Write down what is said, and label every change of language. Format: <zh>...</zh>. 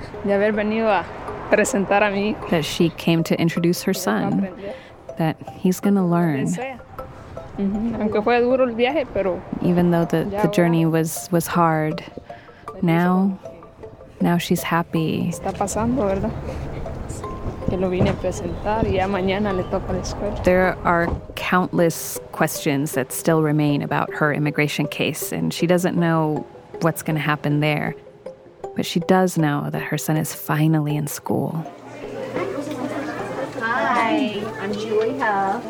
<es>De haber venido a presentar a mí.</es> <en>That she came to introduce her son. That he's going to learn.</en> <es>Aunque fue duro el viaje, pero</es> <en>even though the journey was hard, now she's happy.</en> <es>Está pasando, ¿verdad? Que lo vine a presentar y ya mañana le toca la escuela.</es> <en>There are countless questions that still remain about her immigration case, and she doesn't know what's going to happen there. But she does know that her son is finally in school. Hi, I'm Julia.</en>